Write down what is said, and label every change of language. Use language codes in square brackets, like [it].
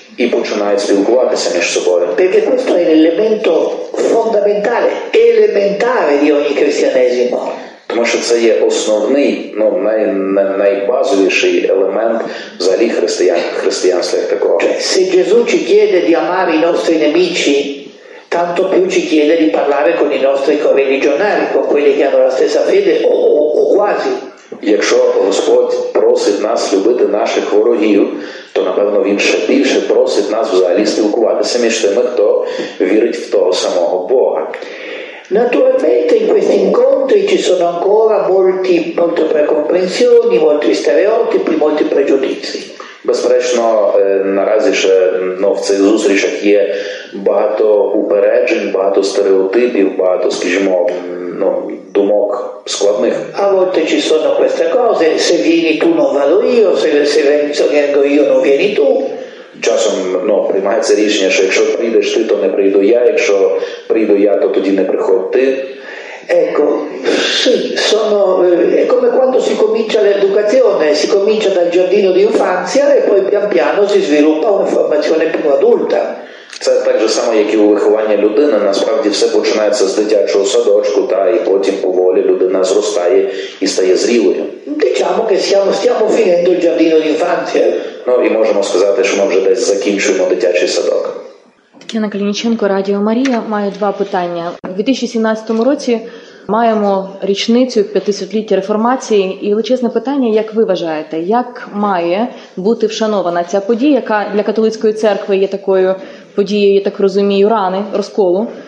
[uk] І починають спілкуватися між собою. [it] Perché questo è l'elemento fondamentale, elementare di ogni cristianesimo. [uk] Тому що це є основний, ну, найбазовіший елемент взагалі християнства як такого. [it] Cioè, se Gesù ci chiede di amare i nostri nemici, tanto più ci chiede di parlare con i nostri correligionari, con quelli che hanno la stessa fede o quasi. [uk] Якщо Господь просить нас любити наших ворогів, то, напевно, Він ще більше просить нас взагалі спілкуватися між тими, хто вірить в того самого Бога. [it] Naturalmente in questi incontri ci sono ancora molte precomprensioni, molti stereotipi, molti pregiudizi. [uk] Безперечно, наразі ще, ну, в цих зустрічах є багато упереджень, багато стереотипів, багато, скажімо, ну, думок складних. [it] A volte ci sono queste cose, se vieni tu non vado io, se vengo io non vieni tu. [uk] Часом, ну, приймається рішення, що якщо прийдеш ти, то не прийду я, якщо прийду я, то тоді не приходь ти. [it] Ecco, sì, sono, è come quando si comincia l'educazione, si comincia dal giardino di infanzia e poi pian piano si sviluppa una formazione più adulta. [uk] Це так же само, як і у вихованні людини, насправді все починається з дитячого садочку, та, і потім поволі людина зростає і стає зрілою. [it] Diciamo che stiamo finendo il giardino di infanzia. [uk] Ну, і можемо сказати, що ми вже десь закінчуємо дитячий садок. Тетяна Калініченко, Радіо Марія. Маю два питання. У 2017 році маємо річницю 500-ліття реформації. І величезне питання, як ви вважаєте, як має бути вшанована ця подія, яка для католицької церкви є такою подією, я так розумію, рани, розколу?